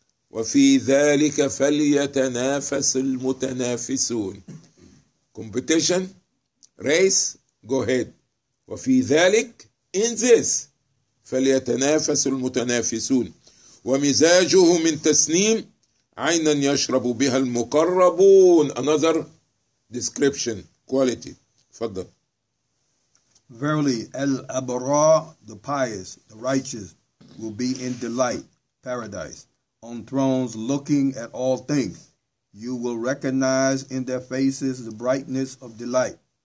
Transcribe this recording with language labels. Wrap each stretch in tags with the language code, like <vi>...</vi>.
<ar>وفي ذلك فليتنافس المتنافسون.</ar> <en>Competition, race, go ahead.</en> <ar>وفي ذلك,</ar> <en>in this,</en> <ar>فليتنافس المتنافسون. ومزاجه من تسنيم عينا يشرب بها المقربون.</ar> <en>Another description, quality.</en> <ar>فضل.</ar> <en>Verily, al-abrar, the pious, the righteous, will be in delight, paradise. On thrones looking at all things, you will recognize in their faces the brightness of delight.</en>